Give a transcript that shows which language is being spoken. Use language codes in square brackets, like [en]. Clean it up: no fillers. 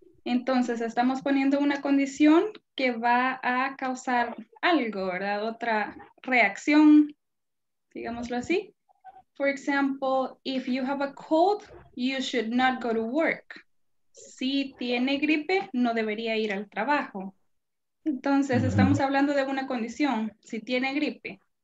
[es] Entonces, estamos poniendo una condición que va a causar algo, ¿verdad? Otra reacción, digámoslo así. [en] For example, if you have a cold, you should not go to work. [es] Si tiene gripe, no debería ir al trabajo. Entonces, estamos hablando de una condición, si tiene gripe.